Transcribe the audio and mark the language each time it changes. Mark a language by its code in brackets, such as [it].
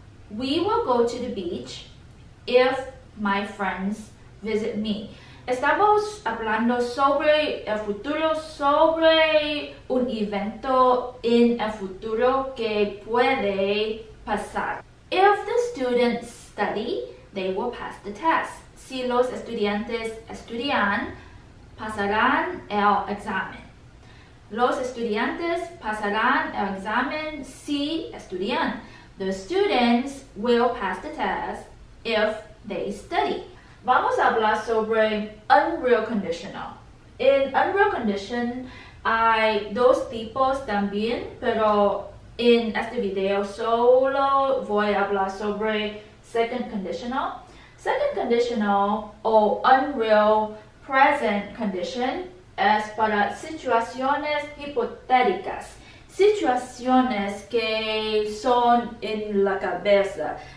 [en] We will go to the beach if my friends visit me. [es] Estamos hablando sobre el futuro, sobre un evento en el futuro que puede pasar. [en] If the students study, they will pass the test. [es] Si los estudiantes estudian, pasarán el examen. Los estudiantes pasarán el examen si estudian. [en] The students will pass the test if they study. [es] Vamos a hablar sobre unreal conditional. En unreal condition hay dos tipos también, pero en este video solo voy a hablar sobre second conditional. Second conditional o unreal present condition es para situaciones hipotéticas, situaciones que son en la cabeza.